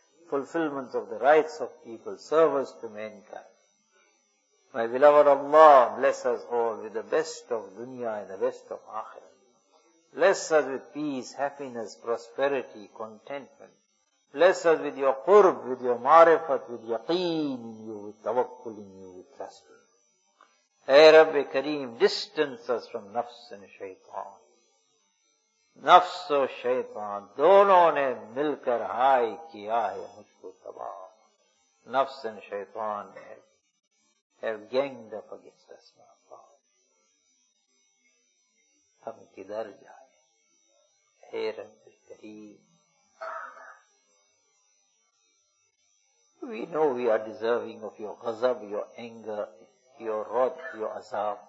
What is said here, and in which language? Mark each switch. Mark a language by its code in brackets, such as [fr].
[en] Fulfillment of the rights of people, service to mankind. My beloved Allah, bless us all with the best of dunya and the best of akhirah. Bless us with peace, happiness, prosperity, contentment. Bless us with your qurb, with your marifat, with yaqeen in you, with tawakkul in you, with trust in you. [ur] Ey Rabbi Kareem, [en] distance us from nafs and shaitan. [ur] نفس و شیطان دونوں نے مل کر high کیا ہے مجھ کو تباہ. [en] نفس and شیطان have ganged up against us, my Allah. [ur] ہم کدھر جائیں؟ اے رب کریم, [en] we know we are deserving of your غضب, your anger, your wrath, your azab.